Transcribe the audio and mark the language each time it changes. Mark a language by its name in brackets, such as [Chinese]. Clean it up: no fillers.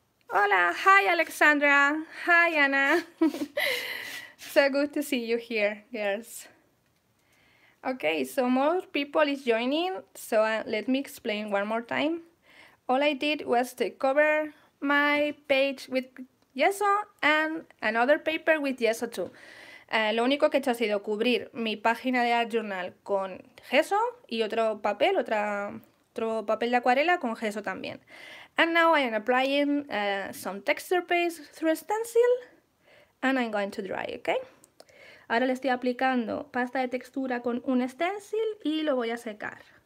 [Spanish] ¡Hola! [English] ¡Hi, Alexandra! ¡Hi, Anna! So good to see you here, girls. Okay, so more people is joining, so let me explain one more time. All I did was to cover my page with gesso and another paper with gesso too. [Spanish] Lo único que he hecho ha sido cubrir mi página de art journal con gesso y otro papel de acuarela con gesso también. [English] And now I am applying some texture paste through a stencil and I'm going to dry, okay? [Spanish] Ahora le estoy aplicando pasta de textura con un stencil y lo voy a secar.